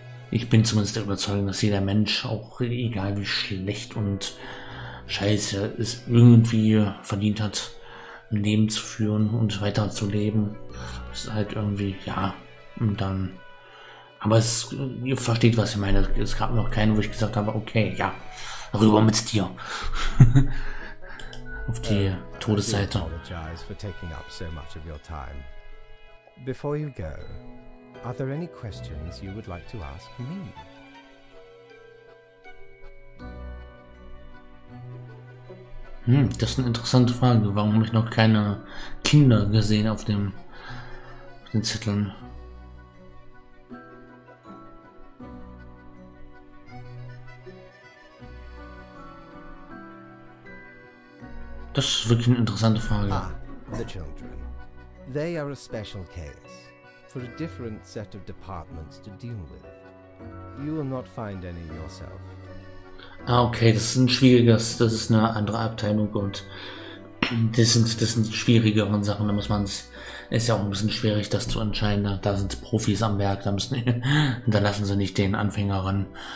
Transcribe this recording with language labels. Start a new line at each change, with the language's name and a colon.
German: Ich bin zumindest der Überzeugung, dass jeder Mensch, auch egal wie schlecht und scheiße es irgendwie verdient hat, ein Leben zu führen und weiterzuleben. Das ist halt irgendwie, ja, und dann. Aber ihr versteht, was ich meine. Es gab noch keinen, wo ich gesagt habe, okay, ja, rüber mit dir. Auf die Todesseite.
English: I apologize for taking up so much of your time. Before you go, are there any questions you would like to ask me?
German: Das ist eine interessante Frage. Warum habe ich noch keine Kinder gesehen auf den Zetteln? Das ist wirklich eine interessante Frage.
English: Ah, the children. They are a special case for a different set of departments to deal with. You will not find any yourself.
German: Ah, okay, das ist ein schwieriges, das ist eine andere Abteilung und das sind schwierigere Sachen, da muss man es. Ist ja auch ein bisschen schwierig, das zu entscheiden. Da sind Profis am Werk, da lassen sie nicht den Anfänger ran.